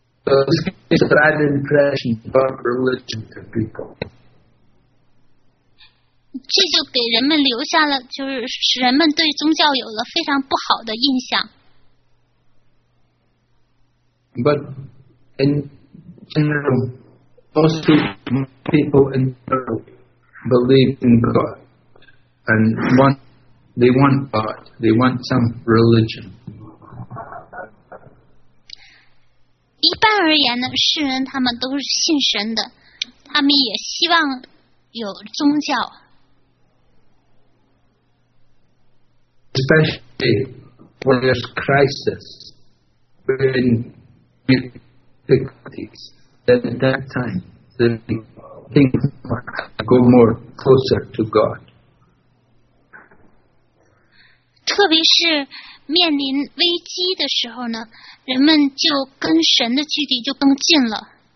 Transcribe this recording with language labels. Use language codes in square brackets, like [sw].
[en] So it's a bad impression about religion to people. [zh] 这就给人们留下了，就是使人们对宗教有了非常不好的印象。 [en] But in general, most people in the world believe in God and they want God, they want some religion. [zh] 一般而言呢，世人他们都是信神的，他们也希望有宗教。 [en] Especially when there's crisis, when difficulties, then at that time, the things go more closer to God. [zh] 特别是面临危机的时候呢，人们就跟神的距离就更近了。